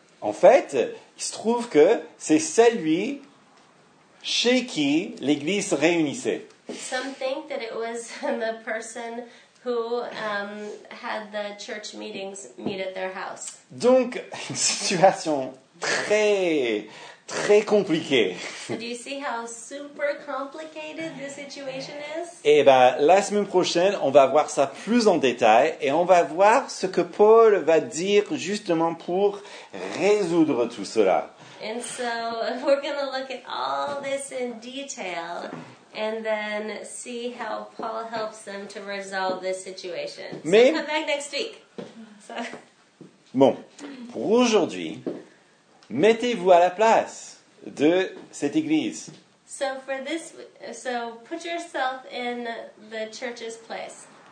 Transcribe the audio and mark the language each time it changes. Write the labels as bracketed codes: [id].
[fr] En fait, il se trouve que c'est celui chez qui l'église se réunissait. [en] Some think that it was the person who had the church meetings meet at their house. [fr] Donc, une situation très, très compliquée. [en] So do you see how super complicated the situation is? [fr] Et bien, la semaine prochaine, on va voir ça plus en détail et on va voir ce que Paul va dire justement pour résoudre tout cela. [en] And so we're going to look at all this in detail and then see how Paul helps them to resolve this situation. [fr] Mais, [en] so come back next week. So. [fr] Bon, pour aujourd'hui, mettez-vous à la place de cette église. [en] So for this, so put yourself in the church's place.